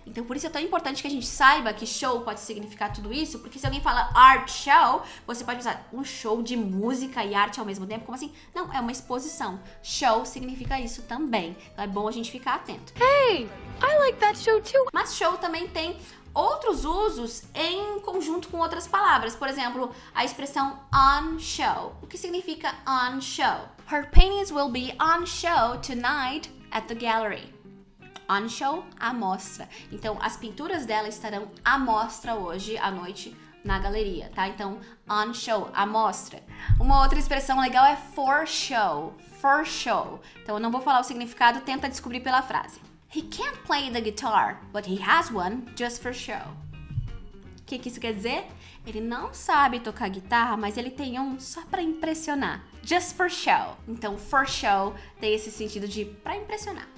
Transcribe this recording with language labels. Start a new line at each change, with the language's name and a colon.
Portuguese: Então por isso é tão importante que a gente saiba que show pode significar tudo isso, porque se alguém fala art show, você pode usar um show de música e arte ao mesmo tempo, como assim? Não, é uma exposição. Show significa isso também. Então é bom a gente ficar atento.
English: Hey, I like that show too.
Portuguese: Mas show também tem outros usos em conjunto com outras palavras. Por exemplo, a expressão on show. O que significa on show?
English: Her paintings will be on show tonight at the gallery.
Portuguese: On show, à mostra. Então, as pinturas dela estarão à mostra hoje à noite na galeria, tá? Então, on show, à mostra. Uma outra expressão legal é for show. For show. Então, eu não vou falar o significado, tenta descobrir pela frase.
English: He can't play the guitar, but he has one just for show.
Portuguese: O que isso quer dizer? Ele não sabe tocar guitarra, mas ele tem um só pra impressionar.
English: Just for show.
Portuguese: Então, for show tem esse sentido de pra impressionar.